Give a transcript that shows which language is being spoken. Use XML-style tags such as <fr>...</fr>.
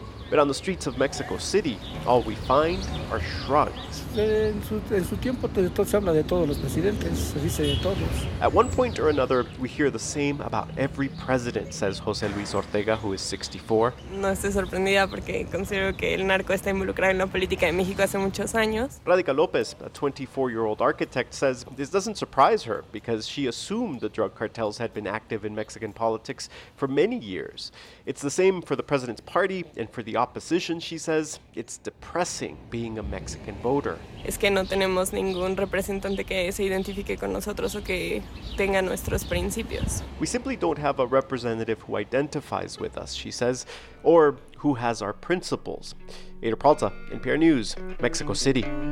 <en>But on the streets of Mexico City, all we find are shrugs. At one point or another, we hear the same about every president, says José Luis Ortega, who is 64.</en> <es>No estoy sorprendida porque considero que el narco está involucrado en la política de México hace muchos años.</es> <en>Radica López, a 24-year-old architect, says this doesn't surprise her because she assumed the drug cartels had been active in Mexican politics for many years. It's the same for the president's party and for the opposition, she says. It's depressing being a Mexican voter.</en> <es>Es que no tenemos ningún representante que se identifique con nosotros o que tenga nuestros principios.</es> <en>We simply don't have a representative who identifies with us, she says, or who has our principles. Eder Peralta, NPR News, Mexico City.</en>